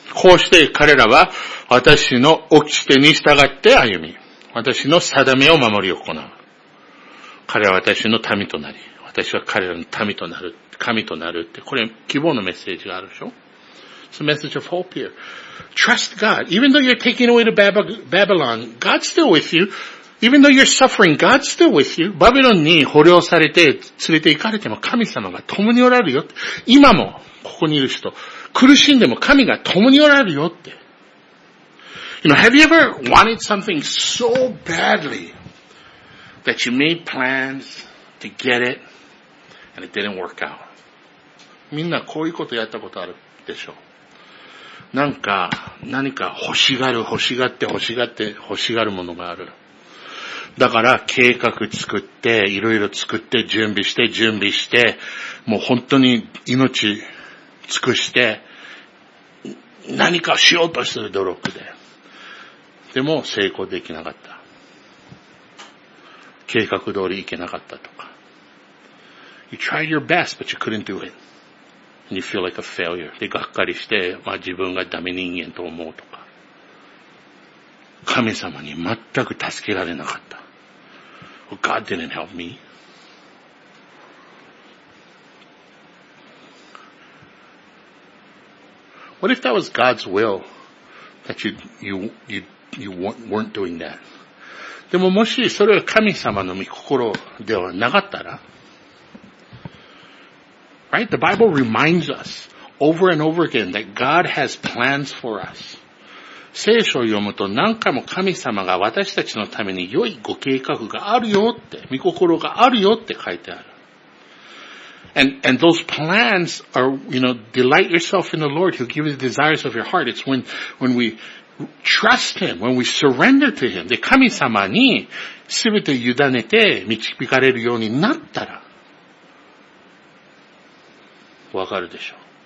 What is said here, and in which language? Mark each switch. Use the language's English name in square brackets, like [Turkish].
[Japanese] こうして彼らは私の掟に従って歩み、私の定めを守り行う。彼は私の民となり、私は彼らの民となる、神となるって、これ希望のメッセージがあるでしょ。 [English] It's a message of hope here. Trust God. Even though you're taking away to Babylon, God's still with you. Even though you're suffering, God's still with you. [Japanese] バビロンに捕虜されて連れて行かれても神様が共におられるよって。今もここにいる人、苦しんでも神が共におられるよって。 [English] You know, have you ever wanted something so badly that you made plans to get it and it didn't work out? [Japanese] みんなこういうことやったことあるでしょう。なんか、何か欲しがる、欲しがって、欲しがって、欲しがるものがある。だから、計画作って、いろいろ作って、準備して、準備して、もう本当に命尽くして、何かしようとする努力で。でも、成功できなかった。計画通りいけなかったとか。 [English] You tried your best, but you couldn't do it. And you feel like a failure. [Japanese] で、がっかりして、まあ、自分がダメ人間と思うとか。神様に全く助けられなかった。 [English] Well, God didn't help me. What if that was God's will? That you weren't doing that. [Japanese] でももしそれは神様の御心ではなかったら、 [English] Right? The Bible reminds us over and over again that God has plans for us. [Japanese] 聖書を読むと何回も神様が私たちのために良いご計画があるよって、御心があるよって書いてある。 [English] And those plans are, you know, delight yourself in the Lord. He'll give you the desires of your heart. It's when we trust Him, when we surrender to Him. [Japanese] で、神様に全て委ねて導かれるようになったら、わかるでしょう。